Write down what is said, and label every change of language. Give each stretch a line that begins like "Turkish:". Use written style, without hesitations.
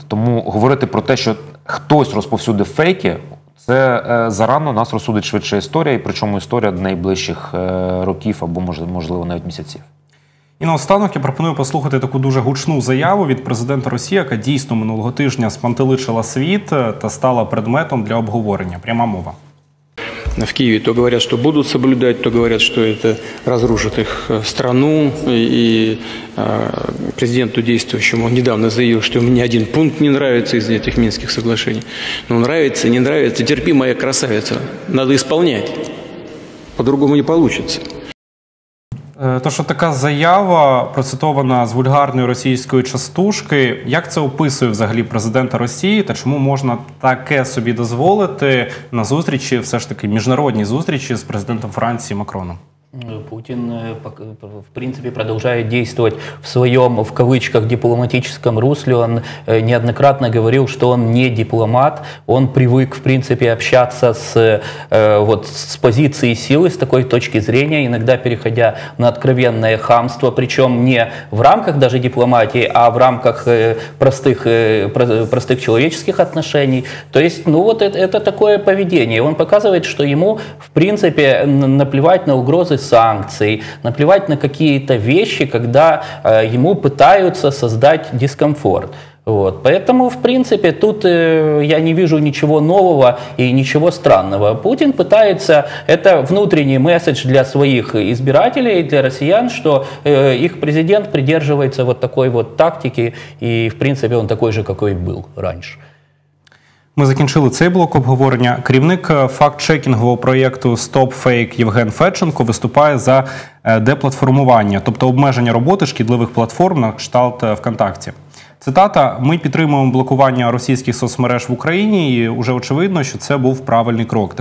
Ukrainian: Тому говорити про те, що хтось розповсюдив фейки, це зарано, нас розсудить швидше історія, і причому історія найближчих років або, можливо, навіть місяців. І наостанок я пропоную послухати таку дуже гучну заяву від президента Росії, яка дійсно минулого тижня спантеличила світ та стала предметом для обговорення. Пряма мова.
Russian: В Киеве то говорят, что будут соблюдать, то говорят, что это разрушит их страну. И президенту действующему он недавно заявил, что ему ни один пункт не нравится из этих Минских соглашений. Но нравится, не нравится, терпи, моя красавица, надо исполнять. По-другому не получится. То, що така заява процитована з вульгарної російської частушки, як це описує взагалі президента Росії та чому можна таке собі дозволити на зустрічі, все ж таки, міжнародній зустрічі з президентом Франції Макроном? Путин, в принципе, продолжает действовать в своем, в кавычках, дипломатическом русле. Он неоднократно говорил, что он не дипломат. Он привык, в принципе, общаться с позиции силы, с такой точки зрения, иногда переходя на откровенное хамство, причем не в рамках даже дипломатии, а в рамках простых человеческих отношений. То есть, ну вот это такое поведение. Он показывает, что ему, в принципе, наплевать на угрозы санкций, наплевать на какие-то вещи, когда ему пытаются создать дискомфорт. Вот. Поэтому, в принципе, тут я не вижу ничего нового и ничего странного. Путин пытается, это внутренний месседж для своих избирателей, для россиян, что их президент придерживается вот такой вот тактики, и, в принципе, он такой же, какой был раньше.
Ukrainian: Ми закінчили цей блок обговорення. Керівник факт-чекінгового проєкту «Stop Fake» Євген Федченко виступає за деплатформування, тобто обмеження роботи шкідливих платформ на кшталт ВКонтакті. Цитата: «Ми підтримуємо блокування російських соцмереж в Україні, і вже очевидно, що це був правильний крок.